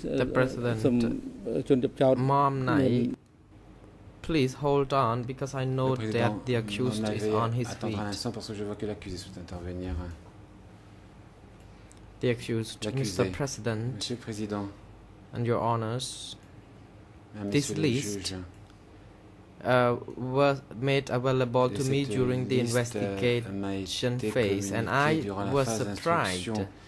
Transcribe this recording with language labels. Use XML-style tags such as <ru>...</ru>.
<en>the president, chun chap chaut Mam Nai, please hold on because I know that the accused is on his feet.</en> <fr>Attendre un instant parce que je vois que l'accusé souhaite intervenir.</fr> <en>The accused,</en> <fr>l'accusé,</fr> <en>Mr. President,</en> <fr>Monsieur le Président,</fr> <en>and Your Honours, this list was made available to me during the investigation phase, and I was surprised.</en>